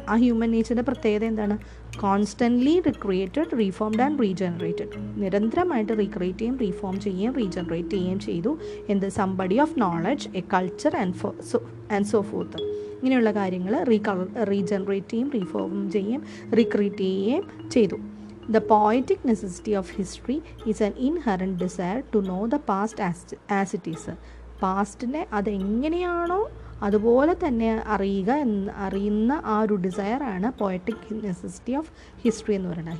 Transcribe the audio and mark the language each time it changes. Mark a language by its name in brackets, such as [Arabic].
[Malayalam] ആ ഹ്യൂമൻ നേച്ചറിൻ്റെ പ്രത്യേകത എന്താണ്? [English] Constantly recreated, reformed and regenerated. [Malayalam] നിരന്തരമായിട്ട് റീക്രിയേറ്റ് ചെയ്യുകയും റീഫോം ചെയ്യുകയും റീജനറേറ്റ് ചെയ്യുകയും ചെയ്തു. [English] എന്ത് some body of knowledge, a culture and so forth. [Malayalam] ഇങ്ങനെയുള്ള കാര്യങ്ങൾ റീജനറേറ്റ് ചെയ്യുകയും റീഫോം ചെയ്യുകയും റീക്രിയേറ്റ് ചെയ്യുകയും ചെയ്തു. [English] The poetic necessity of history is an inherent desire to know the past as it is. [Malayalam] പാസ്റ്റിനെ അതെങ്ങനെയാണോ അതുപോലെ തന്നെ അറിയുക എന്ന് അറിയുന്ന ആ ഒരു ഡിസയറാണ് പോയറ്റിക് നെസസിറ്റി ഓഫ് ഹിസ്റ്ററി എന്ന് പറയുന്നത്.